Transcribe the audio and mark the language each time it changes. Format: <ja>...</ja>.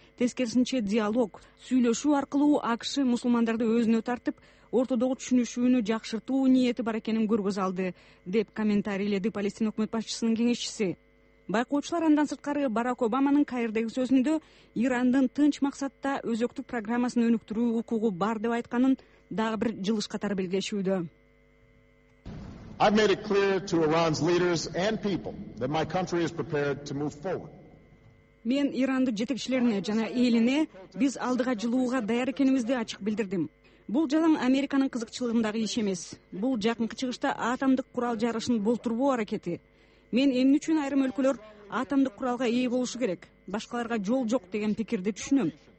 <ky>Тескерисинче диалог, сүйлөшүү аркылуу АКШ мусулмандарды өзүнө тартып, ортодогу түшүнүшүүнү жакшыртуу ниети бар экенин көргөзө алды, деп комментарийледи Палестина өкмөт башчысынын кеңешчиси. Байкоочулар андан сырткары Барак Обаманын Каирдеги сөзүндө Ирандын тынч максатта өзөктүк программасын өнүктүрүү укугу бар деп айтканын дагы бир жылыш катары белгилешүүдө.</ky> <en>I've made it clear to Iran's leaders and people that my country is prepared to move forward.</en> <ky>Мен Ирандын жетекчилерине жана элине биз алдыга жылууга даяр экенибизди ачык билдирдим. Бул жалаң Американын кызыкчылыгындагы иш эмес. Бул жакынкы чыгышта атомдук курал жарышын болтурбоо аракети. Мен эмне үчүн айрым өлкөлөр атомдук куралга ээ болушу керек, башкаларга жол жок деген пикирди түшүнөм.</ky>